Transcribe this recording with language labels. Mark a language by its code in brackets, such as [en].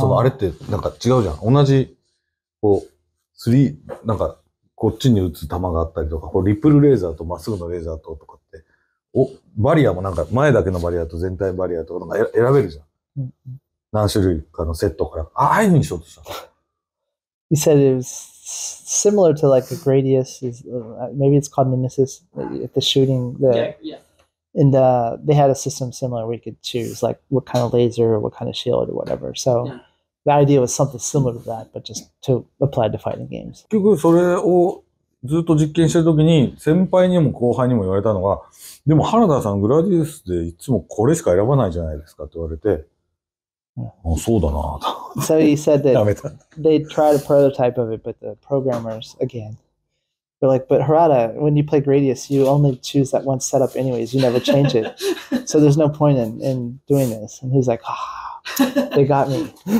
[ja] そのあれってなんか違うじゃん。同じ、こう、スリー、なんかこっちに打つ球があったりとか、こうリプルレーザーとまっすぐのレーザーととかって、お、バリアもなんか前だけのバリアと全体バリアとかなんか選べるじゃん。うん、何種類かのセットから。ああいうふうにしようとした。 [en] He said it was similar to like a Gradius, is, maybe it's called Nemesis, at the shooting. The, yeah, yeah. And they had a system similar where you could choose like what kind of laser or what kind of shield or whatever. So yeah. The idea was something similar to that, but just to apply to fighting games. [ja] 結局それをずっと実験してる時に先輩にも後輩にも言われたのが、でも原田さん、グラディウスでいつもこれしか選ばないじゃないですかって言われて、 [en] So he said that they tried a prototype of it, but the programmers, again, they're like, but Harada, when you play Gradius, you only choose that one setup anyways. You never change it. So there's no point in doing this. And he's like, ah, they got me.